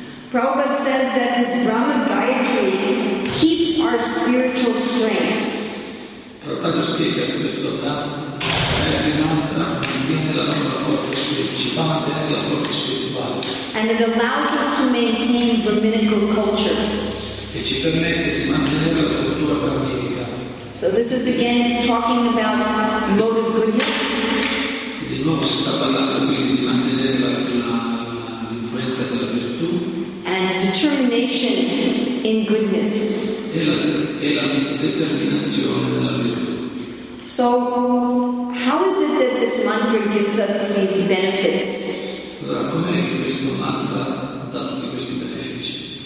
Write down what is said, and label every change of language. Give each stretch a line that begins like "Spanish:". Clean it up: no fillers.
English: Prabhupada says that this Brahma Gayatri keeps our spiritual strength.
Italian: Prabhupada spiega che questo Gayatri mantra mantiene la nostra forza spirituale, ci fa mantenere la forza spirituale.
English: And it allows us to maintain Brahminical culture.
Italian: E ci permette di mantenere la cultura brahminica.
English: So this is again talking about the mode of goodness.
Italian: Di nuovo si sta parlando quindi di mantenere l'influenza della virtù.
English: And determination in goodness.
Italian: E la determinazione della virtù.
English: So how is it that this mantra gives us these benefits?
Italian: Allora com'è che questo mantra dà tutti questi benefici?